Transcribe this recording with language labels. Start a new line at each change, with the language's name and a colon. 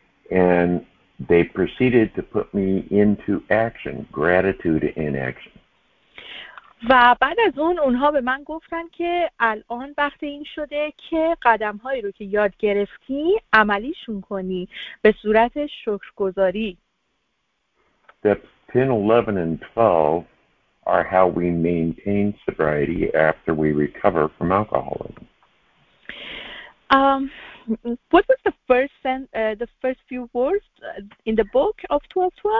English: And they proceeded to put me into action, gratitude in action.
Persian: و بعد از اون اونها به من گفتن که الان وقت این شده که قدم هایی رو که یاد گرفتی عملیشون کنی به صورت شکرگزاری.
English: Steps 10, 11, and 12 are how we maintain sobriety after we recover from alcoholism. What was the first few words in the book of 12-12?